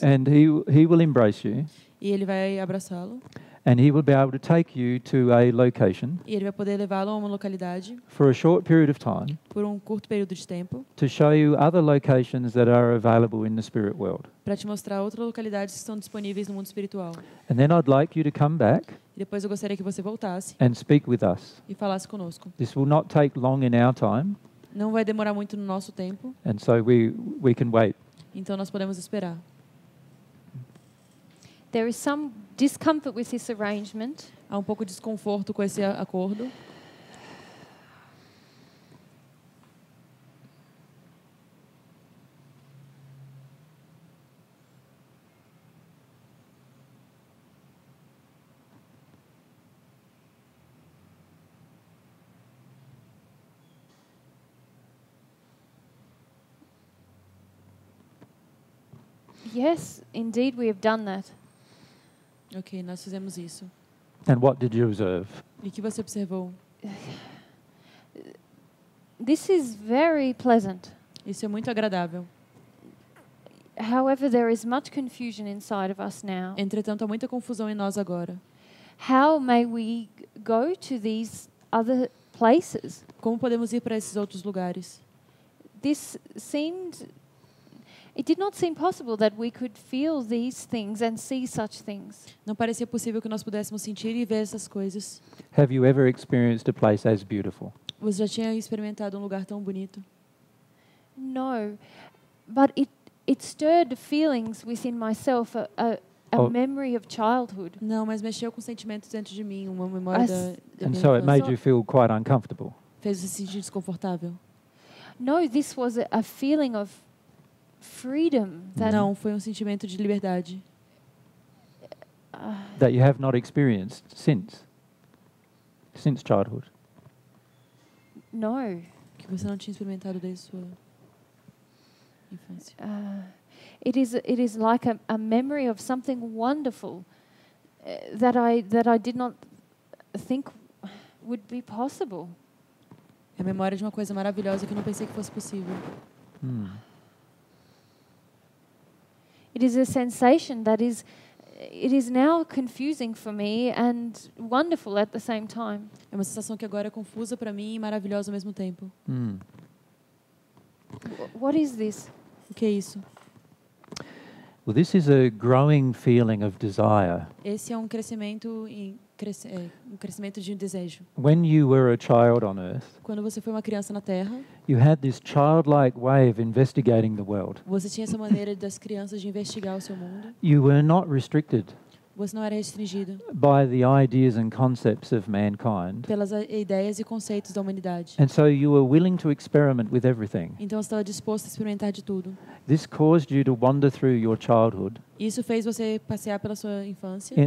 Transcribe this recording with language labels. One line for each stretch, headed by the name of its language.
English: And he will embrace you.
Portuguese: E ele vai abraçá-lo.
English: And he will be able to take you to a location.
Portuguese: E ele vai poder levá-lo a uma localidade.
English: For a short period of time.
Portuguese: Por um curto período de tempo.
English: To show you other locations that are available in the spirit world.
Portuguese: Para te mostrar outras localidades que estão disponíveis no mundo espiritual.
English: And then I'd like you to come back.
Portuguese: E depois eu gostaria que você voltasse.
English: And speak with us.
Portuguese: E falasse conosco.
English: This will not take long in our time.
Portuguese: Não vai demorar muito no nosso tempo.
English: And so we can wait.
Portuguese: Então nós podemos esperar.
English: There is some discomfort with this arrangement.
Portuguese: Há um pouco de desconforto com esse acordo.
English: Yes, indeed, we have done that.
Portuguese: Okay, nós fizemos isso.
English: And what did you observe?
Portuguese: E que você observou?
English: This is very pleasant.
Portuguese: Isso é muito agradável.
English: However, there is much confusion inside of us now.
Portuguese: Entretanto, há muita confusão em nós agora.
English: How may we go to these other places?
Portuguese: Como podemos ir para esses outros lugares?
English: This seemed It did not seem possible that we could feel these things and see such things.
Portuguese: Não parecia possível que nós pudéssemos sentir e ver essas coisas.
English: Have you ever experienced a place as beautiful?
Portuguese: Você já tinha experimentado um lugar tão bonito?
English: No, but it stirred feelings within myself, a memory of childhood.
Portuguese: Não, mas mexeu com sentimentos dentro de mim, uma memória da
English: And so it made you feel quite uncomfortable.
Portuguese: Fez você se sentir desconfortável?
English: No, this was a feeling of freedom.
Portuguese: Não, foi um sentimento de liberdade.
English: That you have not experienced since childhood. No.
Portuguese: Que você não tinha experimentado desde sua infância.
English: It is like a memory of something wonderful that I did not think would be possible.
Portuguese: É a memória de uma coisa maravilhosa que eu não pensei que fosse possível.
English: It is a sensation that is it is now confusing for me and wonderful at the same time.
Portuguese: É uma sensação que agora é confusa para mim e maravilhosa ao mesmo tempo.
English: What is this?
Portuguese: O que é isso?
English: Well, this is a growing feeling of desire.
Portuguese: Esse é um crescimento um crescimento de um desejo.
English: When you were a child on earth,
Portuguese: quando você foi uma criança na Terra,
English: you had this childlike way of investigating the world.
Portuguese: Você tinha essa maneira das crianças de investigar o seu mundo.
English: You were not restricted.
Portuguese: Você não era restringido.
English: By the ideas and concepts of mankind.
Portuguese: Pelas ideias e conceitos da humanidade.
English: And so you were willing to experiment with everything.
Portuguese: Então você estava disposto a experimentar de tudo.
English: This caused you to wander through your childhood.
Portuguese: Isso fez você passear pela sua infância.